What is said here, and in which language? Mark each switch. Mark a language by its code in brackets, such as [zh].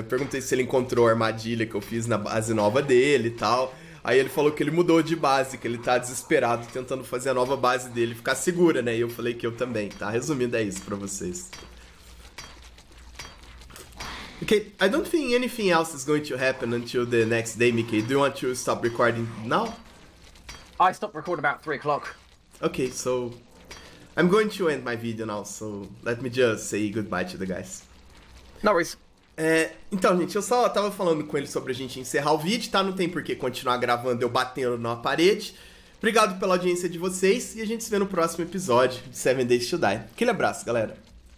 [pt] Perguntei se ele encontrou a armadilha que eu fiz na base nova dele e tal. Aí ele falou que ele mudou de base, que ele tá desesperado tentando fazer a nova base dele ficar segura, né? E eu falei que eu também, tá? Resumindo, é isso pra vocês. [en] Okay, I don't think anything else is going to happen until the next day, Mickey. Do you want to stop recording now? I stopped recording about 3 o'clock. Okay, so I'm going to end my video now, so let me just say goodbye to the guys. No worries. [pt] Então, gente, eu só tava falando com ele sobre a gente encerrar o vídeo, tá? Não tem por que continuar gravando eu batendo na parede. Obrigado pela audiência de vocês e a gente se vê no próximo episódio de 7 Days to Die. Aquele abraço, galera.